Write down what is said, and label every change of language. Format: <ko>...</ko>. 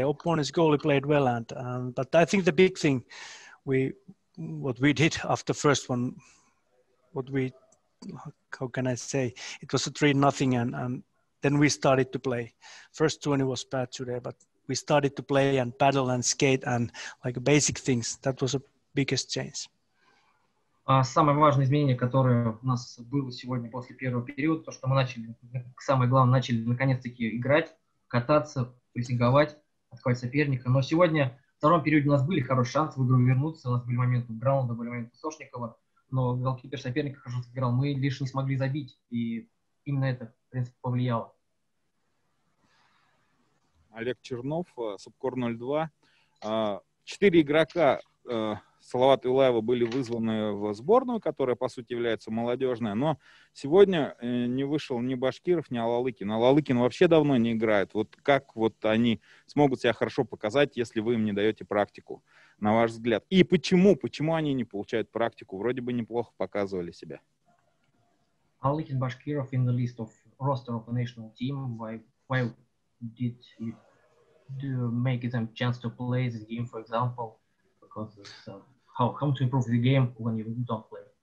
<en>Opponent's goalie played well, but I think the big thing we did after first one, it was a 3-0, and then we started to play. First 20 was bad today, but we started to play and paddle and skate and like basic things. That was a biggest change.</en> <ru>Самое важное изменение, которое у нас было сегодня после первого периода, то, что мы начали, самое главное, начали наконец-таки играть, кататься, прессинговать, открывать соперника. Но сегодня, в втором периоде, у нас были хорошие шансы в игру вернуться. У нас были моменты Граунда, были моменты Сошникова, но голкипер соперника хорошо сыграл. Мы лишь не смогли забить, и именно это, в принципе, повлияло. Олег Чернов, Субкор 02. 4 игрока Салават Юлаева были вызваны в сборную, которая, по сути, является молодежной. Но сегодня не вышел ни Башкиров, ни Алалыкин. Алалыкин вообще давно не играет. Вот как вот они смогут себя хорошо показать, если вы им не даете практику, на ваш взгляд? И почему они не получают практику? Вроде бы неплохо показывали себя.</ru> <en>Алалыкин, Башкиров in the list of roster of the national team. Why did you make them chance to play this game, for example? How to improve the game when you don't play?</en>